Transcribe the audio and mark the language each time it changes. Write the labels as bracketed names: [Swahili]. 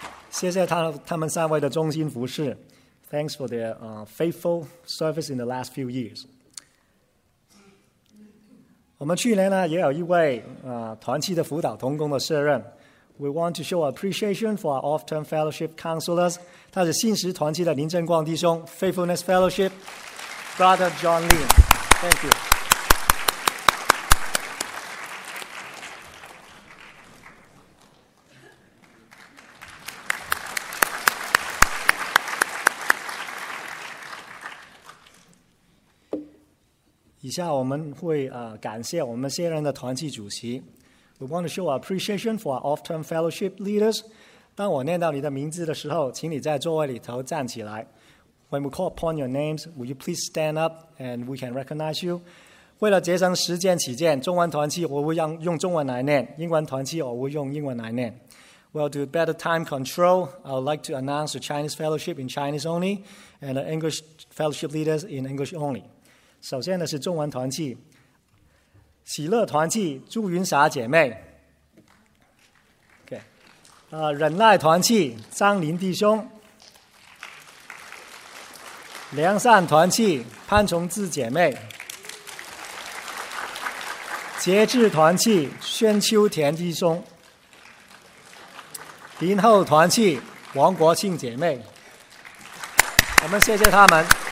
[Chinese] 谢谢他们三位的忠心服侍 [English] ，Thanks for their faithful service in the last few years。 [Chinese] 我们去年呢也有一位团契的辅导同工的卸任。 [English] We want to show appreciation for our off-term fellowship counselors. [Chinese] 他是信实团契的林正光弟兄 ， [English] Faithfulness Fellowship Brother John Lin. Thank you. [Chinese] 以下我们会感谢我们卸任的团契主席。 [English] We want to show our appreciation for our off-term fellowship leaders. [Chinese] 当我念到你的名字的时候，请你在座位里头站起来。 [English] When we call upon your names, will you please stand up and we can recognize you? [Chinese] 为了节省时间起见，中文团契我会用中文来念，英文团契我会用英文来念。 [English] Well, to better time control, I would like to announce the Chinese fellowship in Chinese only and the English fellowship leaders in English only. [Chinese] 首先呢是中文团契，喜乐团契朱云霞姐妹 ，OK， 忍耐团契张林弟兄，良善团契潘崇智姐妹，节制团契宣秋田弟兄，林后团契王国庆姐妹，我们谢谢他们。